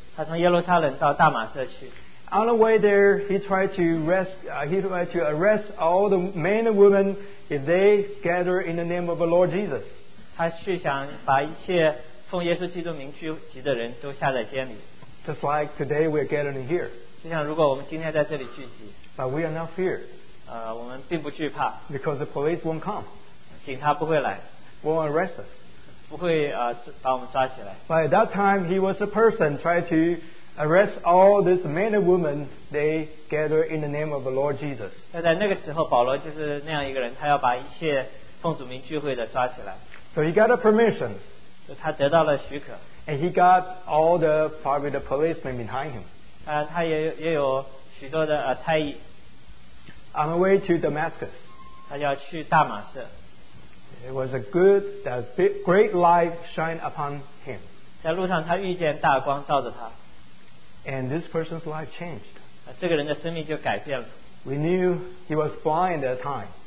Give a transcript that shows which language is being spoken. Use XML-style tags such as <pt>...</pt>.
<zh>他从耶路撒冷到大马色去。</zh> <en>On the way there, he tried to arrest all the men and women if they gather in the name of the Lord Jesus.</en> <zh>他去想把一切奉耶稣基督名聚集的人都下在监里。</zh> <en>Just like today we're gathering here.</en> <zh>就像如果我们今天在这里聚集。</zh> <en>But we are not feared.</en> <zh>我们并不惧怕。</zh> <en>Because the police won't come.</en> <zh>警察不会来。</zh> <en>Won't arrest us.</en> <zh>不会把我们抓起来。</zh> <en>By that time, he was a person trying to arrest all these men and women. They gathered in the name of the Lord Jesus.</en> <zh>在那个时候，保罗就是那样一个人，他要把一切奉主名聚会的抓起来。</zh> <en>So he got a permission.</en> <zh>他得到了许可。</zh> <en>And he got all the probably the policemen behind him.</en> <zh>他也有许多的差役。</zh> <en>On the way to Damascus.</en> <zh>他要去大马色。</zh> <en>It was a good, that great light shine upon him.</en> <zh>在路上，他遇见大光照着他。</zh> <en>And this person's life changed.</en> <zh>这个人的生命就改变了。</zh> <en>We knew he was blind at the time.</en>